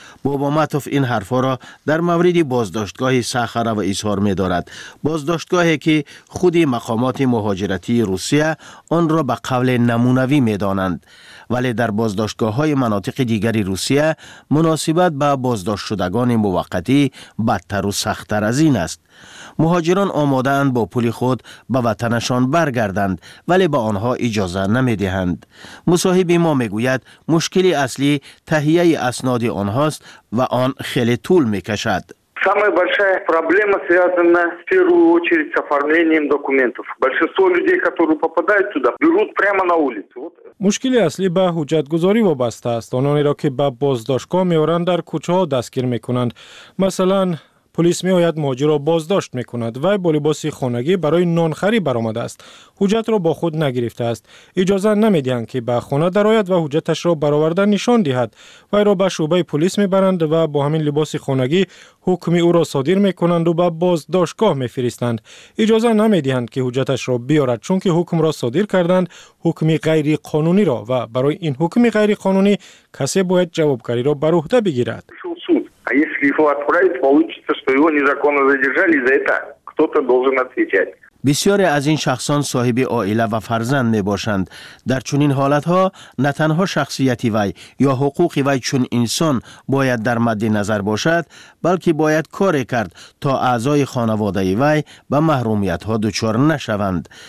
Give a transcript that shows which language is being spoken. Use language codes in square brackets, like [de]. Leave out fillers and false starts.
[fa] بابا ماتوف این حرفا را در مورد بازداشتگاه ساخراوا اظهار می‌دارد، بازداشتگاهی که خود مقامات مهاجرتی روسیه آن را به قول نمونوی می‌دانند، ولی در بازداشتگاه‌های مناطق دیگری روسیه مناسبت با بازداشت شدگان موقتی بدتر و سخت‌تر از این است. مهاجران آماده‌اند با پول خود به وطنشان برگردند، ولی به آنها اجازه نمی‌دهند. مصاحب ما می‌گوید مشکل اصلی تهیه اسناد آنهاست و آن خیلی طول می‌کشد. [ru] Самая большая проблема связана в первую очередь с оформлением документов. Большинство людей, которые попадают туда, берут прямо на улицу. Вот. [tg] Мушкили асли ба хуҷҷатгузорӣ вобаста аст. Онон ро ки ба боздоштгоҳ меоранд дар кӯчаҳо дастгир мекунанд. Масалан, полис меояд муҳоҷирро боздошт мекунад. Вай бо либоси хонагӣ барои нонхарӣ баромадааст. Хуҷҷатро бо худ нагирифтааст. Иҷоза намедиҳанд ки ба хона дарояд ва хуҷҷаташро бароварда нишон диҳад. Вайро ба шӯъбаи полис мебаранд ва бо ҳамин либоси хонагӣ ҳукми ӯро содир мекунанду ба боздоштгоҳ мефиристанд. Иҷоза намедиҳанд ки ҳуҷҷаташро биёрад, чунки ҳукмро содир карданд ҳукми ғайриқонуниро, ва барои ин ҳукми ғайриқонунӣ касе бояд ҷавобгариро бар уҳда бигирад. [ru] А если его отправить, получится, что его незаконно задержали, и за это кто-то должен отвечать. [fa] بسیاری از این شخصان صاحب عائله و فرزند می باشند. در چنین حالت ها نه تنها شخصیتی وی یا حقوقی وی چون انسان باید در مد نظر باشد، بلکه باید کار کرد تا اعضای خانواده وی به محرومیت ها دچار نشوند.